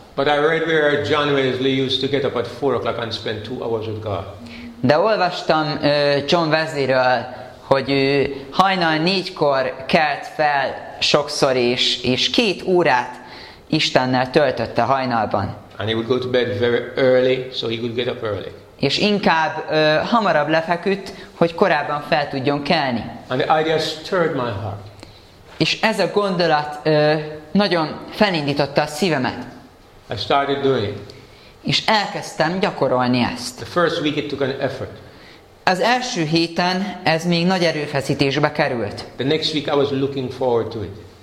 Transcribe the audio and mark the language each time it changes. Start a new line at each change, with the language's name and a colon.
English: But I read where John Wesley used to get up at 4 o'clock and spend 2 hours with God.
Hungarian: De olvastam John Wesley-ről, hogy ő hajnal 4-kor kelt fel sokszor és 2 órát Istennel töltötte hajnalban.
English: And he would go to bed very early, so he could get up early.
Hungarian: És inkább hamarabb lefeküdt, hogy korábban fel tudjon kelni.
English: And the idea stirred my heart.
Hungarian: És ez a gondolat nagyon felindította a szívemet.
English: I started doing it.
Hungarian: És elkezdtem gyakorolni ezt.
English: The first week it took an effort.
Hungarian: Az első héten ez még nagy erőfeszítésbe került.
English: The next week I was looking forward to it.